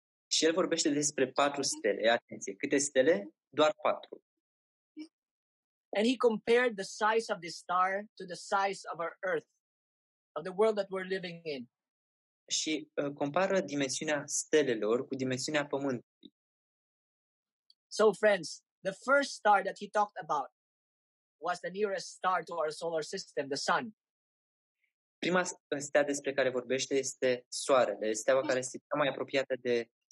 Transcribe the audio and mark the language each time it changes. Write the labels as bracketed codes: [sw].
[ro] Și el vorbește despre patru stele. Atenție, câte stele? Doar patru. [en] And he compared the size of this star to the size of our earth, of the world that we're living in. [ro] Și compară dimensiunea stelelor cu dimensiunea pământului. [en] So friends, the first star that he talked about was the nearest star to our solar system, the sun. [ro] Prima stea despre care vorbește este soarele, steaua care este cea mai apropiată de